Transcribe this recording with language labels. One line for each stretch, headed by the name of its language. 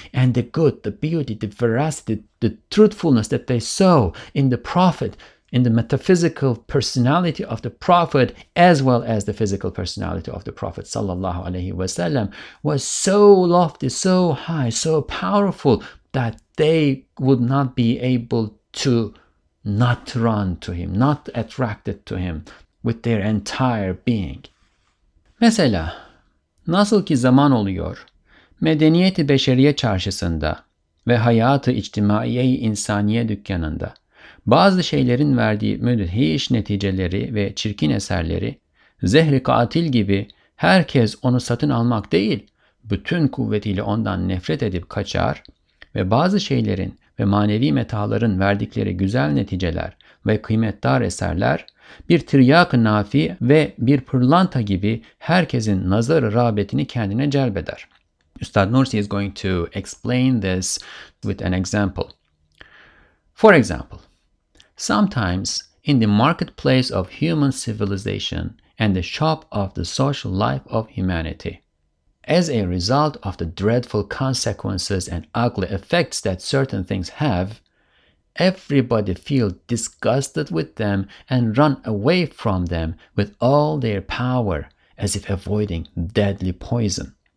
English: And the good, the beauty, the veracity, the truthfulness that they saw in the Prophet, in the metaphysical personality of the Prophet, as well as the physical personality of the Prophet sallallahu alaihi wasallam, was so lofty, so high, so powerful that they would not be able to not run to him, not attracted to him with their entire being.
Turkish: Mesela, nasıl ki zaman oluyor, medeniyeti beşeriye çarşısında ve hayatı içtimaiye-i insaniye dükkanında bazı şeylerin verdiği müdhiş neticeleri ve çirkin eserleri, zehri katil gibi herkes onu satın almak değil, bütün kuvvetiyle ondan nefret edip kaçar ve bazı şeylerin ve manevi metaların verdikleri güzel neticeler ve kıymetdar eserler, bir tiryak-ı nafi ve bir pırlanta gibi herkesin nazar-ı rağbetini kendine celbeder.
English: Üstad Nursi is going to explain this with an example. For example, sometimes in the marketplace of human civilization and the shop of the social life of humanity, as a result of the dreadful consequences and ugly effects that certain things have, everybody feel disgusted with them and run away from them with all their power, as if avoiding deadly poison.